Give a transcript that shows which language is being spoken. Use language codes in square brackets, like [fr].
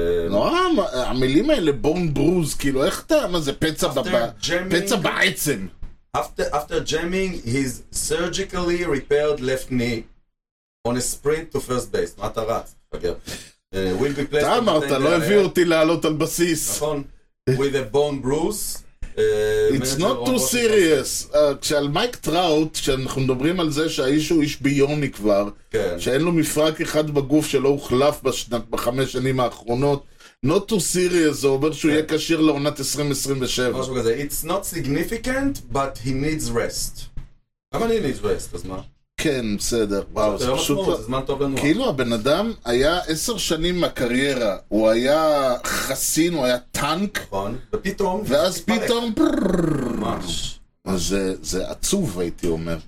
[he] נורא, המילים האלה, בון ברוז, כאילו, איך אתה... מה זה, פצע בבא... פצע בעצם. [en] After jamming his surgically repaired left knee, on a sprint to first base. [he] מה אתה רץ? [en] will be placed... [he] אתה אמרת, לא הביא אותי לעלות על בסיס. נכון. [en] With a bone bruise. It's not too serious. [he] כשעל מייק טראוט, כשאנחנו מדברים על זה שהאיש הוא איש ביוני כבר, שאין לו מפרק אחד בגוף שלא הוחלף בחמש שנים האחרונות, [en] not too serious, [he] זה אומר שהוא יהיה קשיר לעונת 2027. משהו כזה. [en] It's not significant, but he needs rest. [he] למה אני [en] needs rest? [he] אז מה? כן, בסדר. וואו, זה פשוט... זה זמן טוב לנו. כאילו הבן אדם היה 10 שנים מהקריירה, הוא היה חסין, הוא היה טנק. נכון, ופתאום... ואז פתאום... ממש. אז זה עצוב, הייתי אומר.